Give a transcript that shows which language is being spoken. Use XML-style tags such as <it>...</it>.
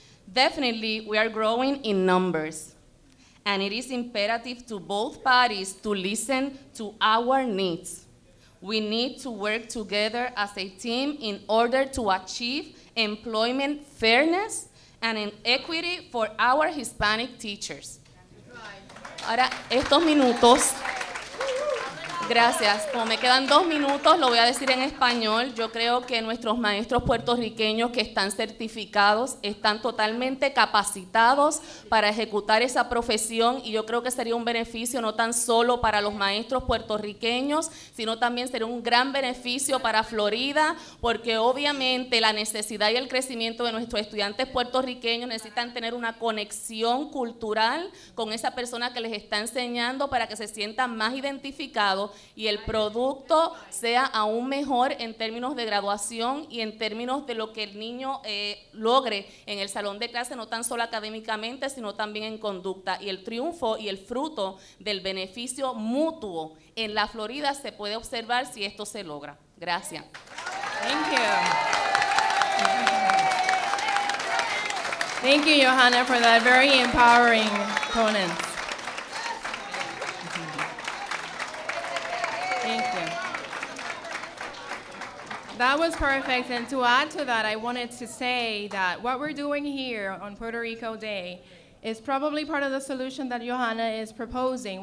<en>Definitely, we are growing in numbers, and it is imperative to both parties to listen to our needs. We need to work together as a team in order to achieve employment fairness and equity for our Hispanic teachers.</en> <es>Ahora, estos minutos. Gracias. Como me quedan dos minutos, lo voy a decir en español. Yo creo que nuestros maestros puertorriqueños que están certificados están totalmente capacitados para ejecutar esa profesión y yo creo que sería un beneficio no tan solo para los maestros puertorriqueños, sino también sería un gran beneficio para Florida, porque obviamente la necesidad y el crecimiento de nuestros estudiantes puertorriqueños necesitan tener una conexión cultural con esa persona que les está enseñando para que se sientan más identificados y el producto sea aún mejor en términos de graduación y en términos de lo que el niño logre en el salón de clase, no tan solo académicamente, sino también en conducta. Y el triunfo y el fruto del beneficio mutuo en la Florida se puede observar si esto se logra. Gracias.</es> <en>Thank you. Thank you, Johanna, for that very empowering comment. That was perfect, and to add to that, I wanted to say that what we're doing here on Puerto Rico Day is probably part of the solution that Johanna is proposing.</en>